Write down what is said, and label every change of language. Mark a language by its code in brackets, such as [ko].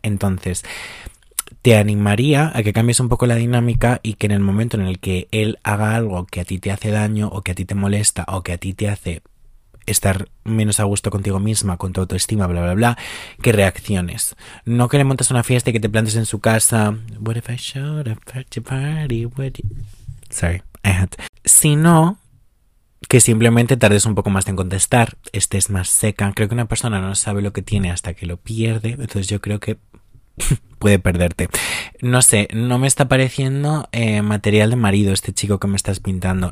[es] Entonces, te animaría a que cambies un poco la dinámica y que en el momento en el que él haga algo que a ti te hace daño o que a ti te molesta o que a ti te hace estar menos a gusto contigo misma, con tu autoestima, bla, bla, bla, que reacciones. No que le montes una fiesta y que te plantes en su casa. [en] What if I showed up at your party? What if... Sorry, I had to. [es] Sino que simplemente tardes un poco más en contestar, estés más seca. Creo que una persona no sabe lo que tiene hasta que lo pierde, entonces yo creo que puede perderte. No sé, no me está pareciendo material de marido este chico que me estás pintando.